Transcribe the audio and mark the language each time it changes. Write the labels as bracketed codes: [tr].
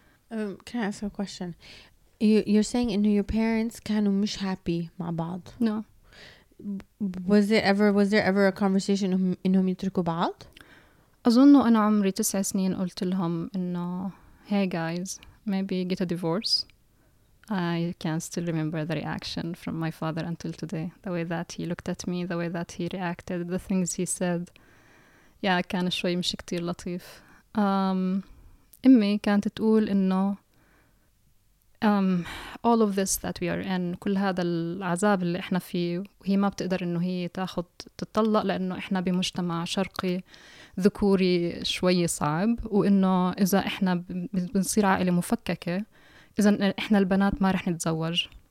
[en] Can I ask a question? You're saying إنه your parents [ar] كانوا مش [en] happy [ar] مع بعض. [en] No. Was there ever a conversation [ar] إنهم يتركوا بعض؟ أظن أنا عمري 9 سنين قلت لهم إنه [en] hey guys, maybe get a divorce. I can still remember the reaction from my father until today. The way that he looked at me, the way that he reacted, the things he said. [ar] Yeah, كان شوي مش كتير لطيف. أمي كانت تقول إنه [en] all of this that we are in, [ar] كل هذا العذاب اللي إحنا فيه, وهي ما بتقدر إنه هي تاخد تتطلق لأنه إحنا بمجتمع شرقي ذكوري شوي صعب, وإنه إذا إحنا بنصير عائلة مفككة إذا إحنا البنات ما رح نتزوج.